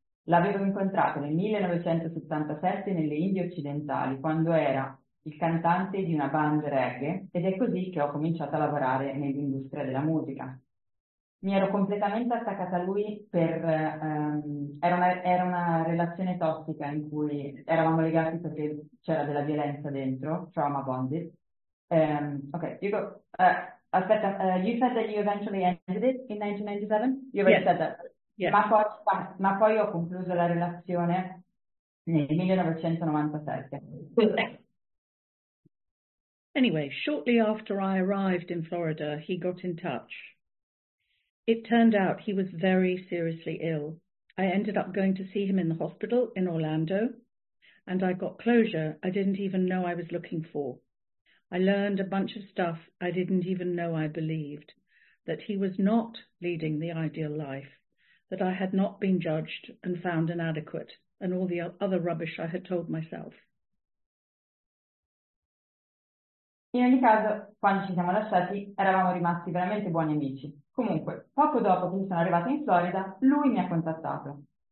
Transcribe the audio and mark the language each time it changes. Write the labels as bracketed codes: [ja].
[it] L'avevo incontrato nel 1977 nelle Indie Occidentali, quando era il cantante di una band reggae, ed è così che ho cominciato a lavorare nell'industria della musica. Mi ero completamente attaccata a lui per era una relazione tossica in cui eravamo legati perché c'era della violenza dentro, [en] trauma bonded. You said that you eventually ended it in 1997? You already yes. said that. Yes. [it] Ma poi ho concluso la relazione nel 1997. [en] Anyway, shortly after I arrived in Florida, he got in touch. It turned out he was very seriously ill. I ended up going to see him in the hospital in Orlando, and I got closure I didn't even know I was looking for. I learned a bunch of stuff I didn't even know I believed, that he was not leading the ideal life, that I had not been judged and found inadequate, and all the other rubbish I had told myself. [it] In ogni caso, quando ci siamo lasciati, eravamo rimasti veramente buoni amici. Comunque, poco dopo che sono arrivata in Florida, lui mi ha contattato.